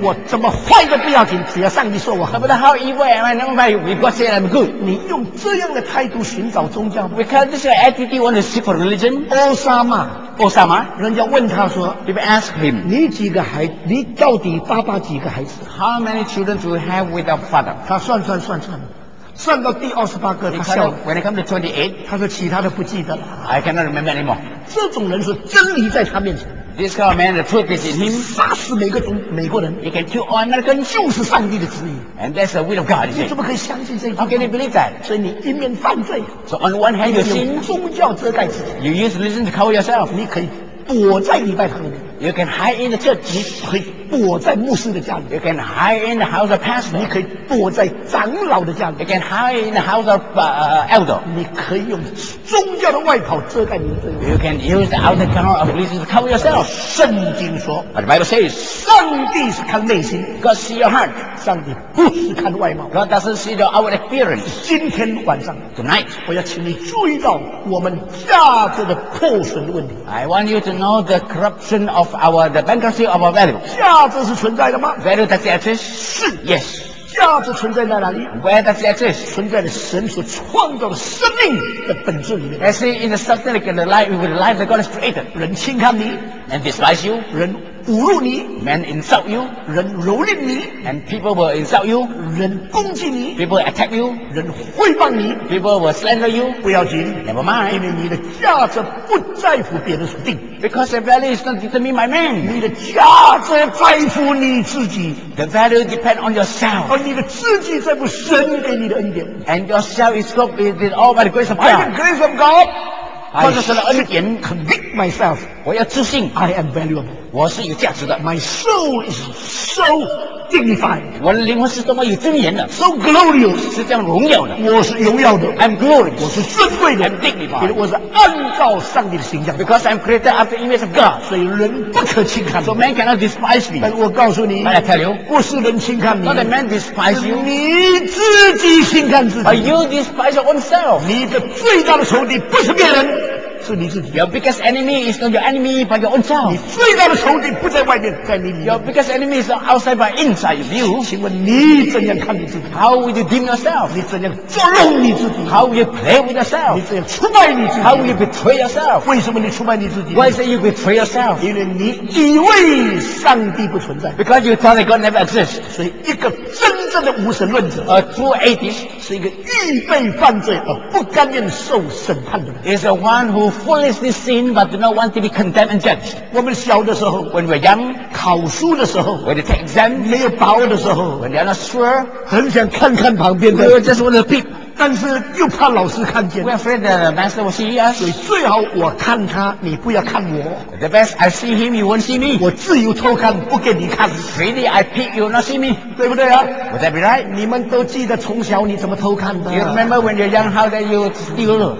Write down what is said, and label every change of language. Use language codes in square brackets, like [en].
[zh] 我怎么坏都不要紧，只要上帝说我好。 [en] No matter how evil am I, no matter what God said I'm good. [zh] 你用这样的态度寻找宗教吗 [en] ？Because this is attitude you want to seek for religion. Osama. Osama. [zh] 人家问他说 [en] ，People ask him， [zh] 你几个孩，你到底爸爸几个孩子 [en] ？How many children do you have without father？ [zh] 他算。算到第28个，他笑了。 [en] When it comes to 28, [zh] 他说其他的不记得了。 [en] I cannot remember anymore. [zh] 这种人是真理在他面前。 [en] This kind of man, the truth is in him. [zh] 杀死每个种美国人。 [en] He can kill all Americans. [zh] 就是上帝的旨意。 [en] And that's the will of God. [zh] 你怎么可以相信这一句话？ [en] How can you believe that? [zh] 所以你一面犯罪。 [en] So on one hand, you sin. [zh] 宗教遮盖自己。 [en] You use religion to cover yourself. [zh] 你可以躲在礼拜堂里面。 [en] You can hide in the church. [zh] 你可以躲在牧师的家里。 [en] You can hide in the house of pastor. [zh] 你可以躲在长老的家里。 [en] You can hide in the house of elder. [zh] 你可以用宗教的外袍遮盖你的罪。 [en] You can use the outer cover of religion to cover yourself. [zh] 圣经说 [en] ，But the Bible says, [zh] 上帝是看内心 [en] ，God see your heart. [zh] 上帝不是看外貌 [en] ，God doesn't see the outward appearance. [zh] 今天晚上 [en] ，Tonight， [zh] 我要请你注意到我们价值的破损的问题。 [en] I want you to know the corruption of the bankruptcy of our value. [zh] 价值是存在的吗？ [en] Value does it exist? [zh] 是。 [en] Yes. [zh] 价值存在在哪里？ [en] Where does it exist? [zh] 存在的神所创造的生命的本质里面。 [en] As in the substance and the life with the life that God has created. [zh] 人轻看你。 [en] And despise you. [zh] 人侮辱你。 [en] Men insult you. [zh] 人蹂躏你。 [en] And people will insult you. [zh] 人攻击你。 [en] People attack you. [zh] 人毁谤你。 [en] People will slander you. [zh] 不要紧。 [en] Never mind. [zh] 因为你的价值不在乎别人所定。 [en] Because the value is not determined by man. [zh] 你的价值在乎你自己。 [en] The value depends on yourself. [zh] 而你的自己在乎神给你的恩典。 [en] And yourself is covered with all by the grace of God. By the grace of God. I should convict myself. [zh] 我要自信。 [en] I am valuable. [zh] 我是有价值的。 [en] My soul is so dignified. [zh] 我的灵魂是多么有尊严的。 [en] So glorious. [zh] 是这样荣耀的。我是荣耀的。 [en] I'm glorious. [zh] 我是尊贵的。 [en] I'm dignified. [zh] 我是按照上帝的形象。 [en] Because I'm created after the image of God. [zh] 所以人不可轻看。 [en] So man cannot despise me. [zh] 但我告诉你。 [en] But I tell you. [zh] 不是人轻看你。 [en] Not that man despise you. [zh] 你自己轻看自己。 [en] But you despise your own self. [zh] 你的最大的仇敌不是别人。是你自己。 [en] Your biggest enemy is not your enemy, but your own self. [zh] 你最大的仇敌不在外面，在你里面。 [en] Your biggest enemy is not outside, but inside of you. [zh] 请问你怎样看你自己 [en] ？How will you deem yourself? [zh] 你怎样捉弄你自己 [en] ？How will you play with yourself? [zh] 你怎样出卖你自己 [en] ？How will you betray yourself? [zh] 为什么你出卖你自己 [en] ？Why say you betray yourself? [zh] 因为你以为上帝不存在。 [en] Because you thought God never exists. [zh] 所以一个真正的无神论者 [en] ，a true atheist， [zh] 是一个预备犯罪而不甘愿受审判的人。 [en] Is the one who foolishly sin but do not want to be condemned and judged. [zh] 我们小的时候 [en] when we're young, [zh] 考书的时候 [en] when they take exam, [zh] 没有把握的时候 [en] when they're not sure, [zh] 很想看看旁边的 [en] we just want to peep. [zh] 但是又怕老师看见。 [en] We're afraid that the master will see us. [zh] 所以最好我看他，你不要看我。 [en] The best I see him, you won't see me. [zh] 我自由偷看，不给你看。 [en] Freely I peek, you not see me. [zh] 对不对啊 [en] ？Would that be right? [zh] 你们都记得从小你怎么偷看的 [en] ？You remember when you're young how that you steal?